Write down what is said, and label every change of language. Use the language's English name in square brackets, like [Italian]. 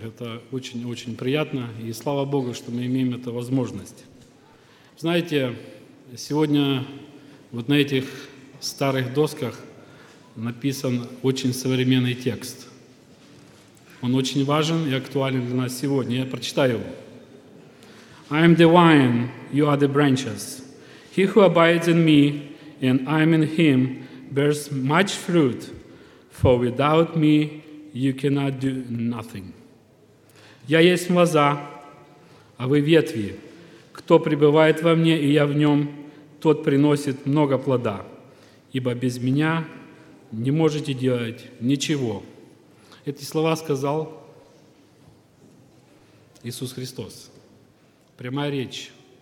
[Russian] Это очень-очень приятно, и слава Богу, что мы имеем эту возможность. Знаете, сегодня вот на этих старых досках написан очень современный текст. Он очень важен и актуален для нас сегодня. Я прочитаю его. [English] I am the vine, you are the branches. He who abides in me, and I am in him, bears much fruit, for without me you cannot do nothing. [Russian] Я есть лоза, а вы ветви. Кто пребывает во мне, и я в нем, тот приносит много плода, ибо без меня не можете делать ничего. Эти слова сказал Иисус Христос. Прямая речь.